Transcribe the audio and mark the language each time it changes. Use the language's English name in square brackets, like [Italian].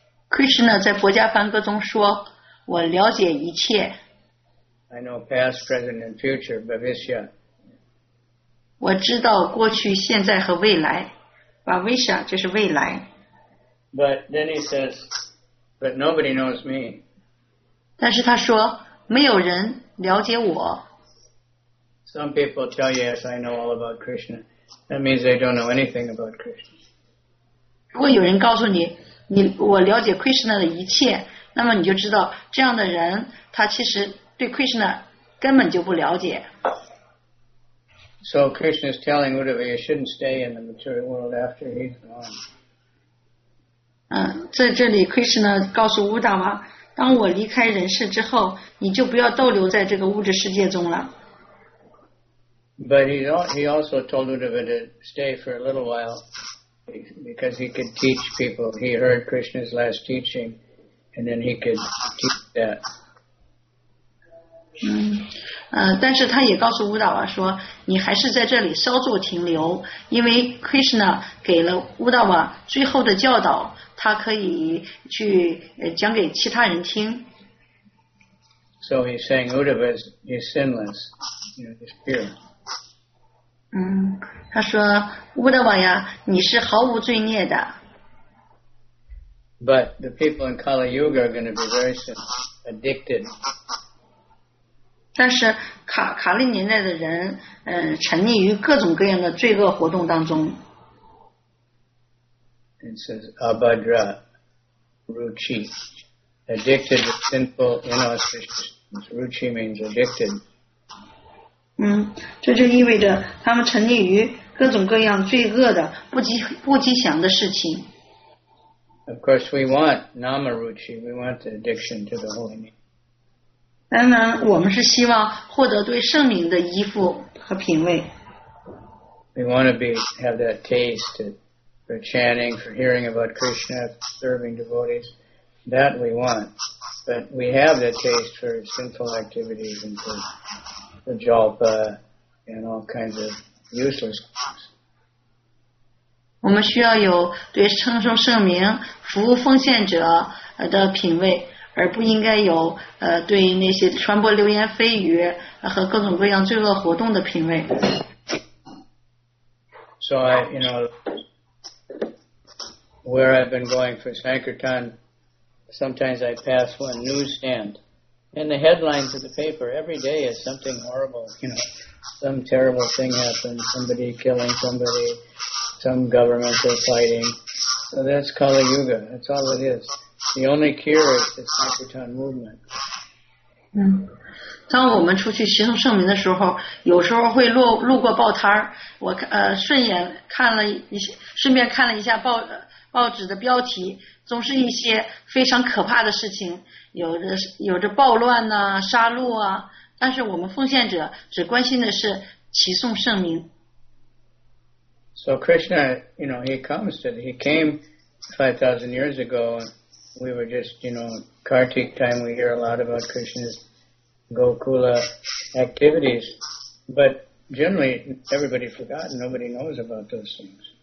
[Chinese] Krishna 在佛家梵歌中说我了解一切。 [English] I know past, present and future, bhavishya. [Chinese] 我知道过去现在和未来 bhavishya 就是未来。 [English] But then he says, but nobody knows me. [Chinese] 但是他说没有人了解我 [English] Some people tell you, yes, I know all about Krishna. That means they don't know anything about Krishna. [Chinese] 如果有人告诉你我了解 Krishna 的一切那么你就知道这样的人他其实对 Krishna 根本就不了解 [English] So Krishna is telling Uddhava you shouldn't stay in the material world after he's gone. [Chinese] 在这里 Krishna 告诉 Uddhava当我离开人世之后你就不要逗留在这个物质世界中了 [English] But he also told Uddhava to stay for a little while because he could teach people he heard Krishna's last teaching and then he could teach that [Chinese] 但是他也告诉乌达瓦说你还是在这里稍作停留因为 Krishna 给了乌达瓦最后的教导他可以去讲给其他人听。 [English] So he's saying Uddhava is sinless, you know, he's pure. [Chinese] 他说乌达瓦呀，你是毫无罪孽的。 [English] But the people in Kali Yuga are going to be very addicted. [Chinese] 但是卡利年代的人，沉溺于各种各样的罪恶活动当中。 [English] It says Abhadra Ruchi. Addicted to sinful inauspiciousness. Ruchi means addicted. [Chinese] 这就意味着他们沉溺于各种各样罪恶的不吉祥的事情。 [English] Of course we want Nama Ruchi. We want the addiction to the holy name. [Chinese] 当然我们是希望获得对圣灵的依附和品味。 [English] We want to have that taste to,for chanting, for hearing about Krishna, serving devotees, that we want. But we have the taste for sinful activities and for the japa and all kinds of useless things. [Chinese] 我们需要有对称颂圣名、服务奉献者的品味，而不应该有对那些传播流言蜚语和各种各样罪恶活动的品味。 [English] So I, you know,Where I've been going for Sankirtan, sometimes I pass one newsstand. And the headlines of the paper every day is something horrible, you know. Some terrible thing happened, somebody killing somebody, some government they're fighting. So that's Kali Yuga, that's all it is. The only cure is the Sankirtan movement. [Chinese] 当我们出去行走圣名的时候，有时候会路过报摊，我顺眼看了一些，顺便看了一下报纸的标题，总是一些非常可怕的事情，有着暴乱呐、杀戮啊。但是我们奉献者只关心的是齐颂圣名。 [English] So Krishna, you know, he came 5,000 years ago. We were just, you know, Kartik time. We hear a lot about Krishna's Gokula activities, but generally everybody forgot. Nobody knows about those things.